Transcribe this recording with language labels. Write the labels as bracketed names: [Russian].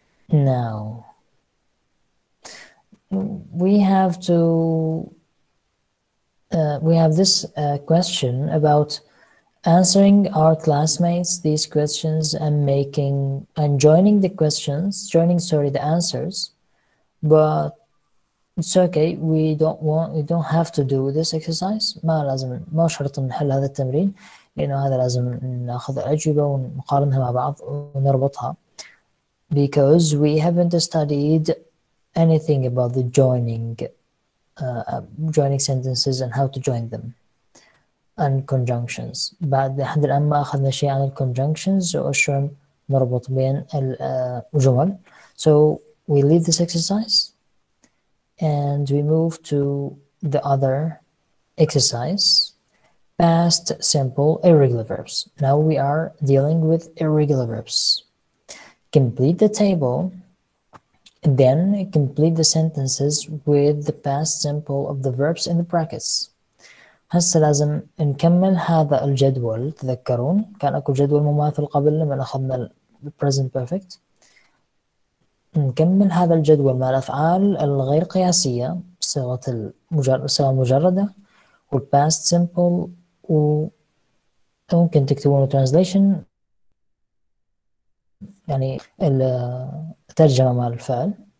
[English] Now, we have this question about answering our classmates these questions and making and joining the questions, joining, sorry, the answers, but It's okay. We don't have to do this exercise. [Arabic] ما لازم ما شرط نحل هذا التمرين لأنه هذا لازم نأخذ الأجوبة ونقارنها مع بعض ونربطها. [English] Because we haven't studied anything about the joining sentences and how to join them and conjunctions. [Arabic] بعد لحد الآن ما أخذنا شيء عن الconjunctions وشلون نربط بين الجمل. [English] So we leave this exercise. And we move to the other exercise, past simple irregular verbs. Now we are dealing with irregular verbs. Complete the table, then complete the sentences with the past simple of the verbs in the brackets. [Arabic] هسا لازم نكمل هذا الجدول. تذكرون كان أكو جدول مماثل قبل لما أخذنا [English] the present perfect. [Arabic] نكمل هذا الجدول مع الأفعال الغير قياسية بصيغة المجردة والباست سيمبل وممكن تكتبون الترانزليشن يعني الترجمة مع الفعل